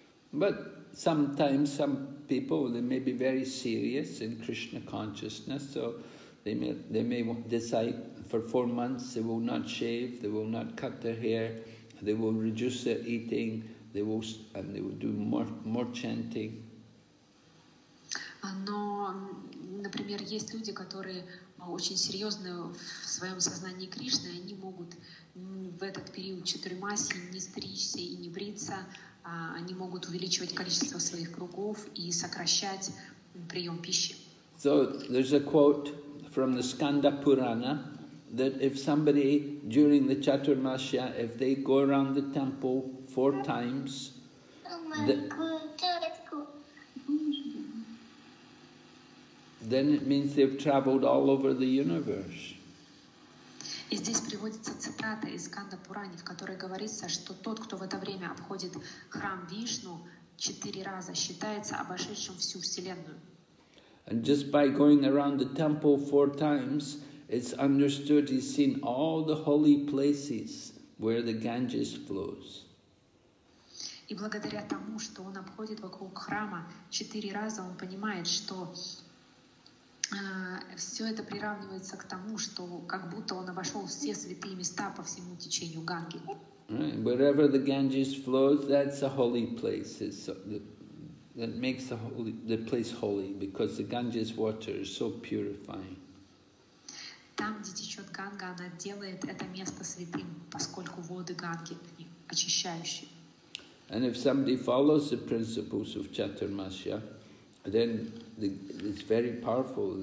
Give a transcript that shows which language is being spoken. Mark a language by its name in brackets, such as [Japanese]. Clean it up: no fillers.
[English] But sometimes some people, they may be very serious in Krishna consciousness, so they may decide for 4 months they will not shave, they will not cut their hair, they will reduce their eating, they will do more chanting. [Russian] Но, например, есть люди, которые очень серьезны в своем сознании Кришны, они могут в этот период четырмаси не стричься и не бриться, они могут увеличивать количество своих кругов и сокращать прием пищи. [English] So there's a quote from the Skanda Purana that if somebody during the Chaturmasya, if they go around the temple 4 times, then it means they've traveled all over the universe. [Russian] И здесь приводится цитата из Канда Пурани, в которой говорится, что тот, кто в это время обходит храм Вишну 4 раза, считается обошедшим всю Вселенную. [English] And just by going around the temple 4 times, it's understood he's seen all the holy places where the Ganges flows. [Russian] И благодаря тому, что он обходит вокруг храма 4 раза, он понимает, что все это приравнивается к тому, что как будто он обошел все святые места по всему течению Ганги. [English] Right. Wherever the Ganges flows, that's a holy place. It's that makes the place holy because the Ganges water is so purifying. [Russian] Там, где течет Ганга, она делает это место святым, поскольку воды Ганги очищающие. [English] And if somebody follows the principles of Chaturmasya, then it's very powerful.